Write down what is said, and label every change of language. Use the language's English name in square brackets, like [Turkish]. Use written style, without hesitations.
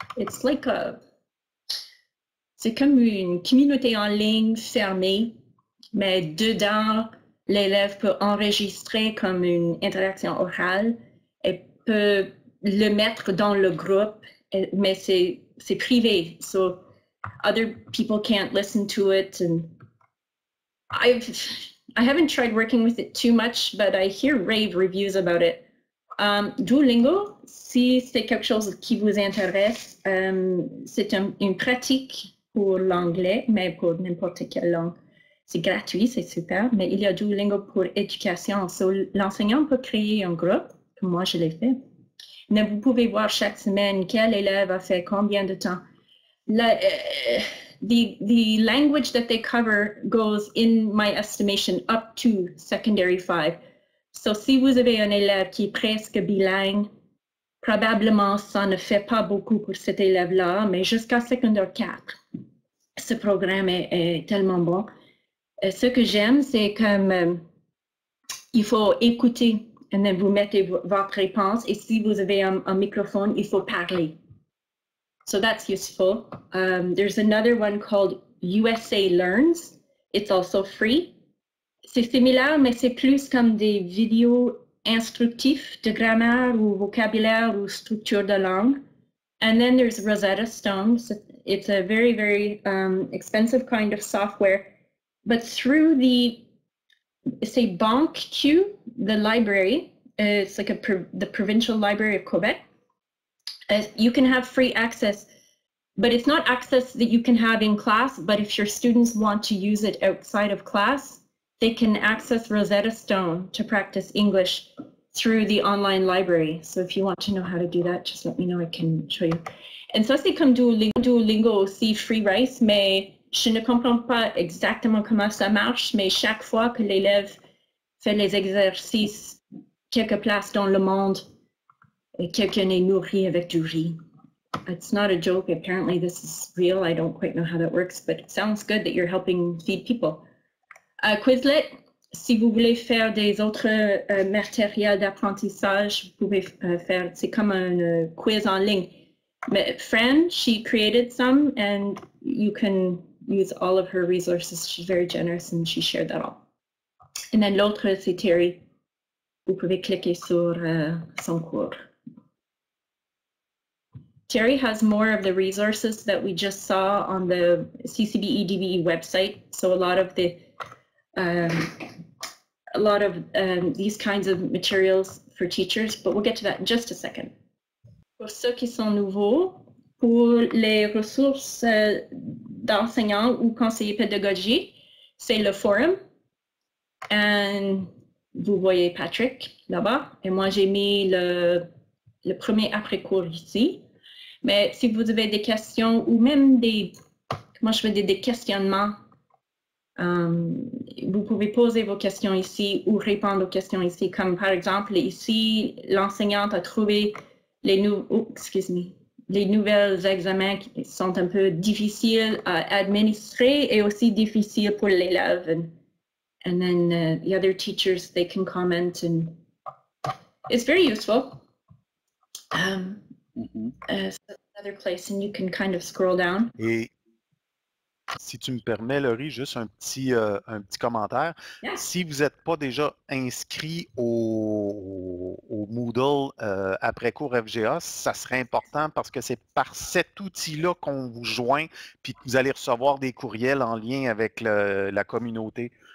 [English] It's like a [French] c'est comme une communauté en ligne fermée, mais dedans, l'élève peut enregistrer comme une interaction orale et peut le mettre dans le groupe, mais c'est privé. [English] So other people can't listen to it. And I haven't tried working with it too much, but I hear rave reviews about it. [French] Duolingo, si c'est quelque chose qui vous intéresse, c'est une pratique pour l'anglais, mais pour n'importe quelle langue. C'est gratuit, c'est super, mais il y a Duolingo pour éducation. So, l'enseignant peut créer un groupe, comme moi je l'ai fait. Mais vous pouvez voir chaque semaine quel élève a fait combien de temps. [English] The language that they cover goes, in my estimation, up to secondary 5. [French] So si vous avez un élève qui est presque bilingue, probablement ça ne fait pas beaucoup pour cet élève-là, mais jusqu'à secondaire 4, ce programme est tellement bon. Et ce que j'aime, c'est comme il faut écouter, et then vous mettez votre réponse, et si vous avez un microphone, il faut parler. [English] So that's useful. There's another one called USA Learns. It's also free. [French] C'est similaire, mais c'est plus comme des vidéos instructives de grammaire ou vocabulaire ou structure de langue. [English] And then there's Rosetta Stone. So it's a very, very expensive kind of software. But through the, say, Banque Q, the library, it's like the provincial library of Quebec. You can have free access, but it's not access that you can have in class, but if your students want to use it outside of class, they can access Rosetta Stone to practice English through the online library. So if you want to know how to do that, just let me know, I can show you. [French] And ça c'est comme Duolingo aussi free rice, mais je ne comprends pas exactement comment ça marche, mais chaque fois que l'élève fait les exercices quelque place dans le monde, et quelqu'un est nourri avec du riz. [English] It's not a joke, apparently this is real. I don't quite know how that works, but it sounds good that you're helping feed people. [French] Quizlet, si vous voulez faire des autres matériels d'apprentissage, vous pouvez faire, c'est comme un quiz en ligne. [English] But Fran, she created some, and you can use all of her resources. She's very generous, and she shared that all. And then [French] l'autre, c'est Terry. Vous pouvez cliquer sur son cours. [English] Terry has more of the resources that we just saw on the CCBE DBE website. So a lot of the these kinds of materials for teachers, but we'll get to that in just a second. [French] Pour ceux qui sont nouveaux, pour les ressources d'enseignants ou conseillers pédagogiques, c'est le forum. And vous voyez Patrick là-bas. Et moi, j'ai mis le premier après-cours ici. Mais si vous avez des questions ou même des questionnements, vous pouvez poser vos questions ici ou répondre aux questions ici. Comme par exemple, ici, l'enseignante a trouvé les nouveaux examens qui sont un peu difficiles à administrer et aussi difficiles pour l'élève. [English] And then the other teachers, they can comment. And it's very useful. Another place, and you can kind of scroll down. [French] Et si tu me permets, Laurie, juste un petit commentaire. Yeah. Si vous n'êtes pas déjà inscrit au Moodle après-cours FGA, ça serait important parce que c'est par cet outil-là qu'on vous joint puis que vous allez recevoir des courriels en lien avec la communauté.